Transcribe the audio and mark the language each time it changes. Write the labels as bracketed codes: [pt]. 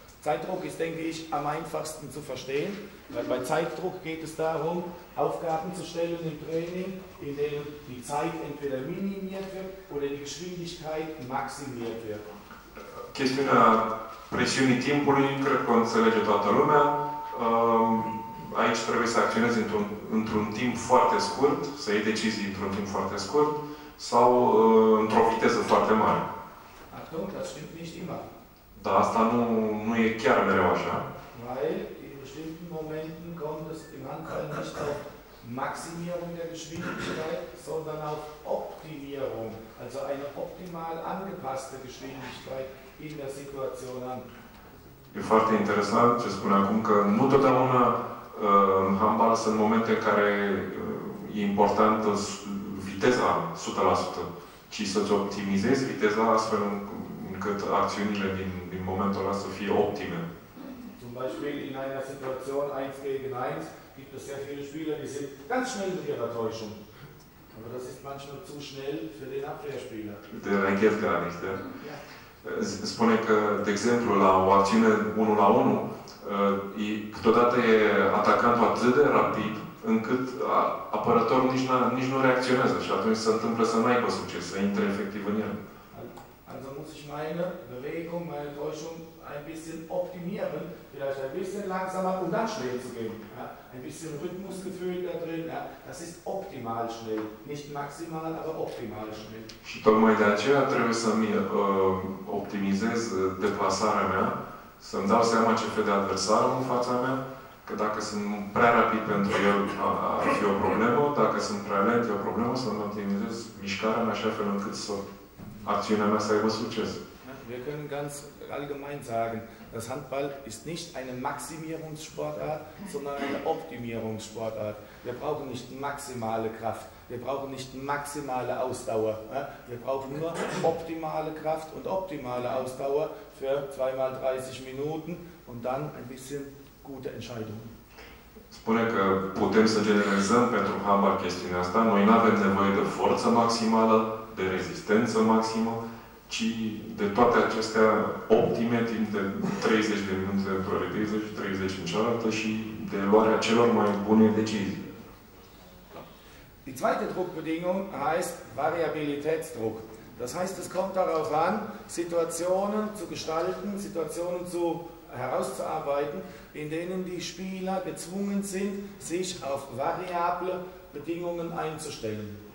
[de] Zeitdruck ist, denke ich, am einfachsten zu verstehen, weil bei Zeitdruck geht es darum, Aufgaben zu stellen im Training, in denen die Zeit entweder minimiert wird oder die Geschwindigkeit maximiert wird. [ro] Chestiunea presiunii timpului, cred că o înțelege toată lumea. Aici trebuie să acționezi într-un timp foarte scurt, să iei decizii într-un timp foarte scurt sau într-o viteză foarte mare. [de] Achtung, das stimmt nicht immer. [ro] Dar asta nu e chiar mereu așa. [de] Weil in bestimmten Momenten kommt es im Handball nicht auf Maximierung der Geschwindigkeit, sondern auf Optimierung, also eine optimal angepasste Geschwindigkeit in der Situation an. [ro] E foarte interesant ce spune acum, că nu totdeauna în handball sunt momente în care e importantă viteza 100%, ci să-ți optimizezi viteza astfel încât acțiunile din momentul ăla să fie optime. [de] Zum Beispiel in einer Situation 1 gegen 1 gibt es sehr viele Spieler, die sind ganz schnell mit ihrer Täuschung. Aber das ist manchmal zu schnell für den Abwehrspieler. Der reagiert gar nicht, ja? Ja. [ro] spune că, de exemplu, la o acțiune 1 la 1, câteodată e atacantul atât de rapid, încât apărătorul nici nu reacționează și atunci se întâmplă să nu aibă succes, să intre efectiv în el. [de] Also muss ich meine Bewegung, meine Täuschung ein bisschen optimieren, vielleicht ein bisschen langsamer und dann schnell zu gehen. Ja? Ein bisschen Rhythmusgefühl da drin, ja? Das ist optimal schnell. Nicht maximal, aber optimal schnell. [ro] Și tocmai de aceea trebuie să-mi optimizez deplasarea mea, să-mi dau seama ce fel de adversar am în fața mea, că dacă sunt prea rapid pentru el, ar fi o problemă, dacă sunt prea lent, e o problemă, să-mi optimizez mișcarea mea așa fel încât să acțiunea mea să aibă succes. [de] Wir können ganz allgemein sagen, dass Handball ist nicht eine Maximierungssportart, sondern eine Optimierungssportart. Wir brauchen nicht maximale Kraft, wir brauchen nicht maximale Ausdauer. Wir brauchen nur optimale Kraft und optimale Ausdauer für 2x30 Minuten und dann ein bisschen gute Entscheidungen. [ro] Spune că putem să generalizăm pentru handball chestiunea asta. Noi nu avem nevoie de forță maximală, de rezistență maximă, ci de toate acestea optime timp de 30 de minute într-o repriză și 30 în cealaltă și de luarea celor mai bune decizii. [de] Die zweite Druckbedingung heißt Variabilitätsdruck. Das heißt, es kommt darauf an, Situationen zu gestalten, Situationen zu herauszuarbeiten, in denen die Spieler gezwungen sind, sich auf variable Bedingungen einzustellen.